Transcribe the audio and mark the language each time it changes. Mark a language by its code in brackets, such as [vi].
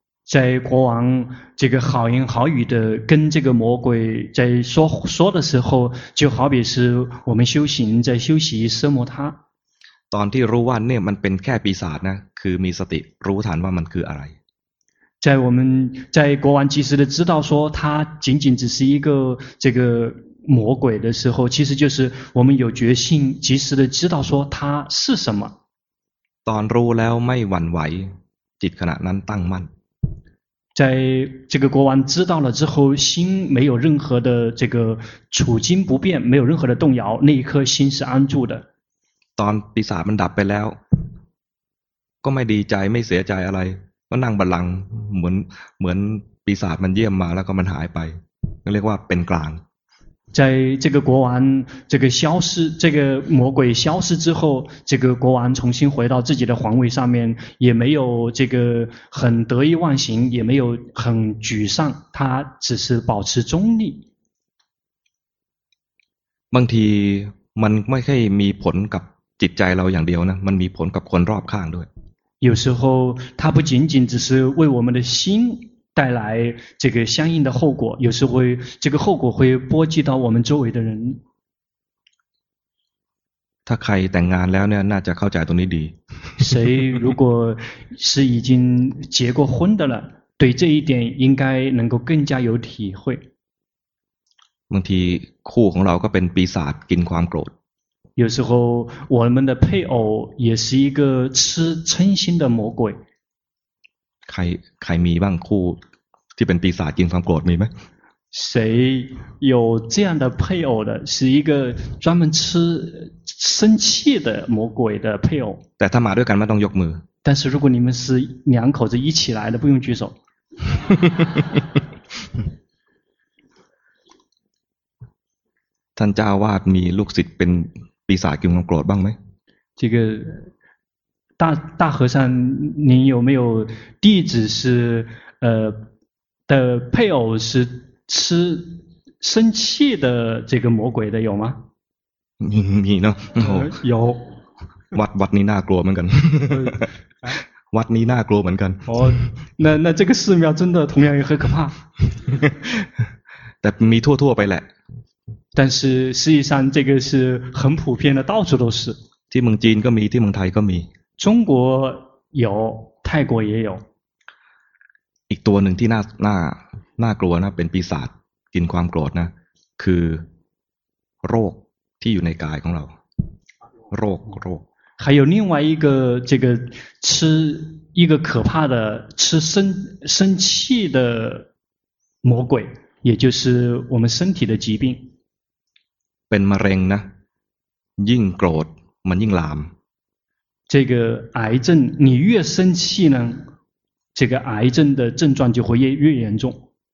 [zh] 在国王这个好言好语的跟这个魔鬼在说的时候就好比是我们修行在修习奢摩他 [th] ตอนที่รู้ว่าเนี่ยมันเป็นแค่ปีศาจนะคือมีสติรู้ทันว่ามันคืออะไร [zh] 在我们在国王及时的知道说他仅仅只是一个这个魔鬼的时候其实就是我们有决心及时的知道说他是什么 [th] ตอนรู้แล้วไม่หวั่นไหวจิตขณะนั้นตั้งมั่น [zh] 在这个国王知道了之后心没有任何的这个处境不变没有任何的动摇那一颗心是安住的 [th] ตอนปีศาจมันดับไปแล้วก็ไม่ดีใจไม่เสียใจอะไรก็นั่งบัลลังก์เหมือนปีศาจมันเยี่ยมมาแล้วก็มันหายไปเรียกว่าเป็นกลาง [zh] 在这个国王这个消失这个魔鬼消失之后这个国王重新回到自己的皇位上面也没有这个很得意忘形也没有很沮丧他只是保持中立 [th] บางทีมันไม่ใช่มีผลกับจิตใจเราอย่างเดียวนะมันมีผลกับคนรอบข้างด้วย [zh] 有时候它不仅仅只是为我们的心带来这个相应的后果有时候这个后果会波及到我们周围的人 [th] ถ้าใครแต่งงานแล้วเนี่ยน่าจะเข้าใจตรงนี้ดี [zh] 谁如果是已经结过婚的了对这一点应该能够更加有体会 [th] บางทีคู่ของเราก็เป็นปีศาจกินความโกรธ [zh] 有时候我们的配偶也是一个吃嗔心的魔鬼 [th] ใครมีบ้างคู่ที่เป็นปีศาจกินความโกรธมีไหม [zh] 谁有这样的配偶的是一个专门吃生气的魔鬼的配偶 [th] แต่ถ้ามาด้วยกันไม่ต้องยกมือ [zh] 但是如果你们是两口子一起来的不用举手 [th] ท่านเจ้าวาดมีลูกศิษย์เป็นปีศาจกินความโกรธบ้างไหม [zh] 这个大和尚您有没有弟子是的配偶是吃生气的这个魔鬼的有吗 [th] มีเนาะ ย อวัดนี้น่ากลัวเหมือนกันวัดนี้น่ากลัวเหมือนกัน [zh] โอ้那这个寺庙真的同样也很可怕 [th] แต่มีทั่วๆไปแหละ [zh] 但是实际上这个是很普遍的到处都是 [th] ที่เมืองจีนก็มีที่เมืองไทยก็มี [zh] 中国有，泰国也有。 [th] อีกตัวหนึ่งที่น่ากลัวนะเป็นปีศาจกินความโกรธนะคือโรคที่อยู่ในกายของเราโรค [zh] 还有另外一个这个吃一个可怕的吃生生气的魔鬼也就是我们身体的疾病 [th] เป็นมะเร็งนะยิ่งโกรธมันยิ่งลาม [zh] 这个癌症你越生气呢这个癌症的症状就会越严重